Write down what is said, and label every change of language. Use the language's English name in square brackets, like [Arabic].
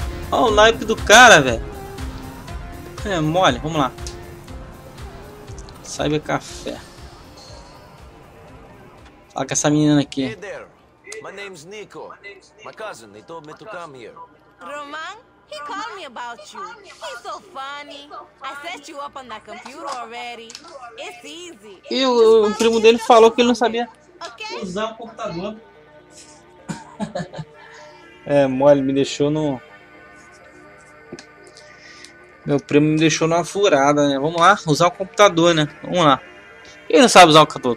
[Portuguese] Olha o naipe do cara, velho. É mole, vamos lá. Cyber Café. Fala com essa menina aqui. [English] Hey there. My name's Nico. My cousin, they told me to come here. Roman, he called me about you. He's so funny. I set you up on that computer already. It's easy. [Portuguese] E o primo dele falou que ele não sabia usar o computador. É mole, me deixou no... Meu primo me deixou numa furada, né? Vamos lá, usar o computador, né? Vamos lá. Quem não sabe usar o computador?